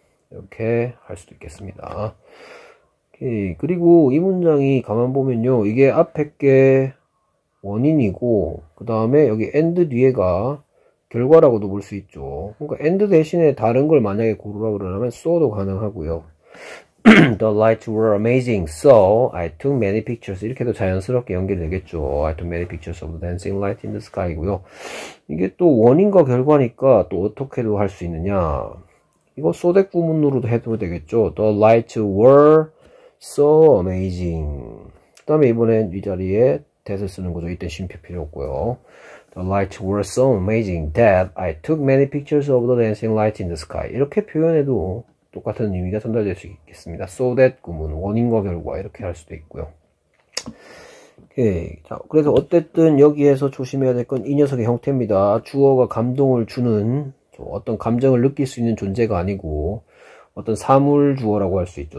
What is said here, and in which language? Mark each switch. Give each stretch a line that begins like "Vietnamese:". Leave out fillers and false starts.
Korean: 이렇게 할 수도 있겠습니다. 오케이. 그리고 이 문장이 가만 보면요, 이게 앞에 게 원인이고 그 다음에 여기 and 뒤에가 결과라고도 볼수 있죠. 그러니까 and 대신에 다른 걸 만약에 고르라고 그러면 so도 가능하고요.
English: The lights were amazing, so I took many pictures.
Korean: 이렇게도 자연스럽게 연결되겠죠.
English: I took many pictures of the dancing light in the sky
Korean: 이고요. 이게 또 원인과 결과니까 또 어떻게도 할수 있느냐. 이거 소댓 구문으로도 해도 되겠죠.
English: The lights were so amazing.
Korean: 그다음에 이번엔 이 자리에 that을 쓰는 거죠. 이때 쉼표 필요 없고요.
English: The lights were so amazing that I took many pictures of the dancing light in the sky.
Korean: 이렇게 표현해도 똑같은 의미가 전달될 수 있겠습니다. So that 구문, 원인과 결과 이렇게 할 수도 있고요. 오케이. 자, 그래서 어쨌든 여기에서 조심해야 될건이 녀석의 형태입니다. 주어가 감동을 주는, 어떤 감정을 느낄 수 있는 존재가 아니고 어떤 사물 주어라고 할수 있죠.